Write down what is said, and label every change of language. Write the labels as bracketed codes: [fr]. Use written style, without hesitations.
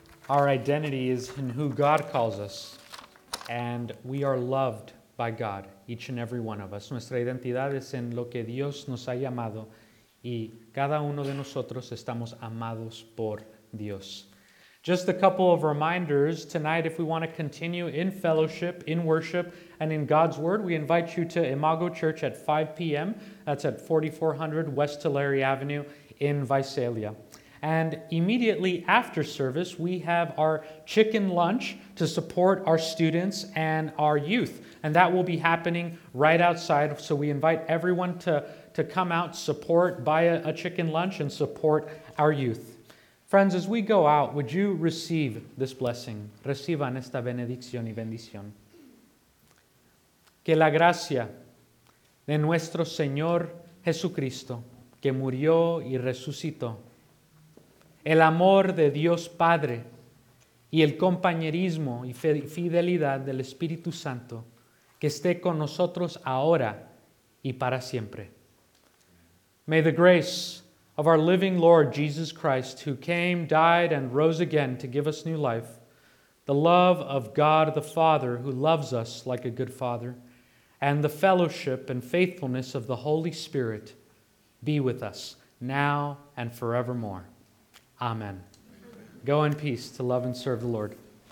[en] Our identity is in who God calls us, and we are loved by God, each and every one of us. [es] Nuestra identidad es en lo que Dios nos ha llamado, y cada uno de nosotros estamos amados por Dios. [en] Just a couple of reminders. Tonight, if we want to continue in fellowship, in worship, and in God's Word, we invite you to Imago Church at 5 p.m. That's at 4400 West Tulare Avenue in Visalia. And immediately after service, we have our chicken lunch to support our students and our youth. And that will be happening right outside. So we invite everyone to come out, support, buy a chicken lunch, and support our youth. Friends, as we go out, would you receive this blessing? [es] Reciban esta bendición y bendición. Que la gracia de nuestro Señor Jesucristo, que murió y resucitó, el amor de Dios Padre y el compañerismo y fidelidad del Espíritu Santo, que esté con nosotros ahora y para siempre. [en] May the grace of our living Lord Jesus Christ, who came, died, and rose again to give us new life, the love of God the Father, who loves us like a good father, and the fellowship and faithfulness of the Holy Spirit be with us now and forevermore. Amen. Go in peace to love and serve the Lord.